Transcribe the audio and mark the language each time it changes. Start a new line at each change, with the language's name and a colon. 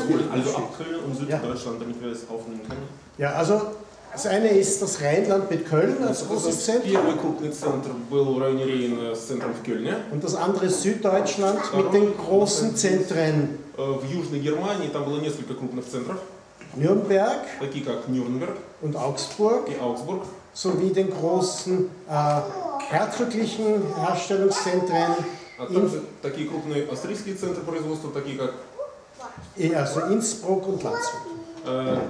German: Also ab Köln und Süddeutschland, ja, damit wir es aufnehmen können. Ja, also das eine ist das Rheinland mit Köln als großes Zentrum. Das Bierkugelzentrum will reinigen, das Zentrum für Köln, ja? Und das andere ist Süddeutschland mit den großen Zentren.
Russian: В Южной Германии там было несколько крупных центров. Нюрнберг. Такие как Нюрнберг.
German: Und Augsburg.
Russian: И Augsburg.
German: Sowie den großen herzoglichen Herstellungszentren.
Russian: Такие крупные австрийские центры производства, такие как...
German: Also Innsbruck und Landshut.